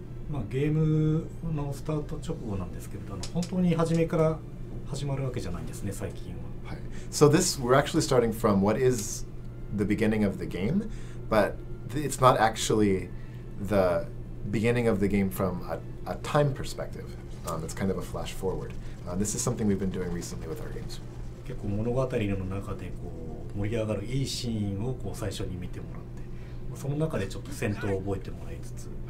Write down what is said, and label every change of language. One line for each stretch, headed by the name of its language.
Japanese: まあ、ゲームのスタート直後なんですけれど、本当に初めから始まるわけじゃないんですね、最近は。はい。
English: So this, we're actually starting from what is the beginning of the game, but it's not actually the beginning of the game from a time perspective. It's kind of a flash forward. This is something we've been doing recently with our games.
Japanese: 結構物語の中でこう盛り上がるいいシーンをこう最初に見てもらって、その中でちょっと戦闘を覚えてもらいつつ、